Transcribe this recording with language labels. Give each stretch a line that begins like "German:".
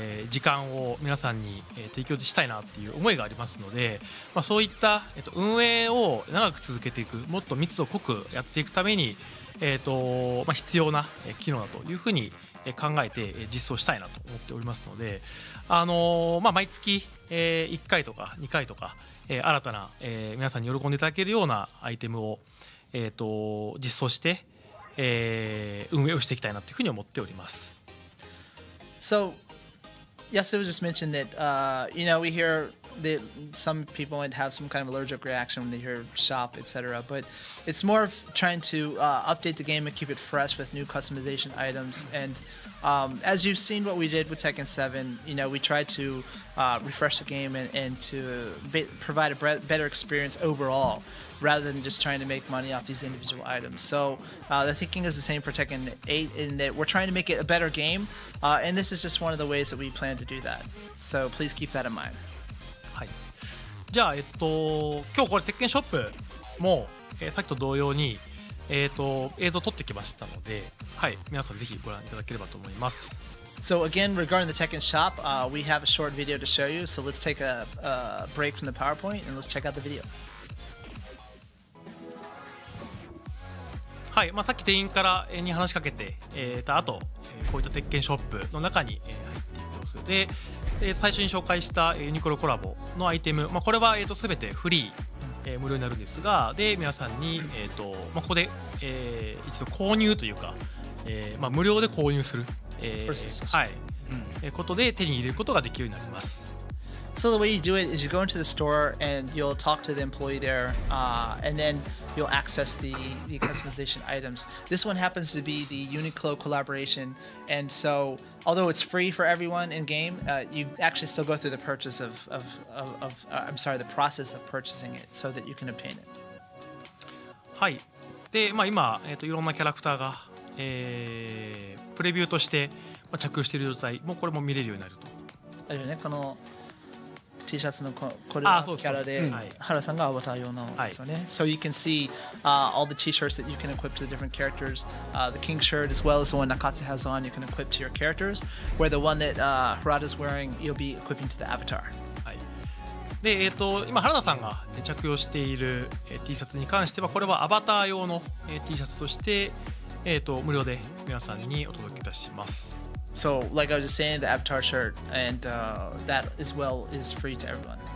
Japanese: 時間を皆さんに、提供したいなっていう思いがありますので、まあ、そういった、運営を長く続けていく、もっと密度濃くやっていくために、まあ、必要な機能だというふうに考えて実装したいなと思っておりますので、まあ、毎月、1回とか2回とか、新たな、皆さんに喜んでいただけるようなアイテムを、実装して運営をしていきたいなというふうに思っております。
English: So, Yasuda just mentioned that, you know, we hear that some people might have some kind of allergic reaction when they hear shop, etc. But it's more of trying to update the game and keep it fresh with new customization items. And as you've seen what we did with Tekken 7, you know, we tried to refresh the game and to provide a better experience overall. Rather than just trying to make money off these individual items. So the thinking is the same for Tekken 8 in that we're trying to make it a better game, and this is just one of the ways that we plan to do that. So please keep that in mind.
Japanese: はい。じゃあ今日これ鉄拳ショップも、さっきと同様に映像撮ってきましたので、はい、皆さんぜひご覧いただければと思います。
English: So again, regarding the Tekken Shop, we have a short video to show you. So let's take a break from the PowerPoint and let's check out the video.
Japanese: はい、まあ、さっき店員からに話しかけて、た後、こういった鉄拳ショップの中に入っていく様子で、最初に紹介したユニクロコラボのアイテム、まあ、これは、全てフリー、無料になるんですが、で皆さんに、まあ、ここで、一度購入というか、まあ、無料で購入する、はい、ことで手に入れることができるようになります。
English: So the way you do it is you go into the store and you'll talk to the employee there, and then you'll access the customization items. This one happens to be the Uniqlo collaboration, and so although it's free for everyone in game, you actually still go through the purchase the process of purchasing it so that you can obtain it.
Japanese: はい。で、まあ今いろんなキャラクターが、プレビューとして、まあ、着用している状態もこれも見れるようになると。あるよね、このT シャツのこれはキャラで、原さんがアバター用のですよね。
English: So you can see all the T-shirts that you can equip to the different characters. The King shirt as well as the one Nakatsu has on, you can equip to your characters. Where the one that Harada is wearing, you'll be equipping to the avatar.
Japanese: はい。で、今原田さんが着用している T シャツに関しては、これはアバター用の T シャツとして、無料で皆さんにお届けいたします。
English: So, like I was just saying, the avatar shirt and that as well is free to everyone.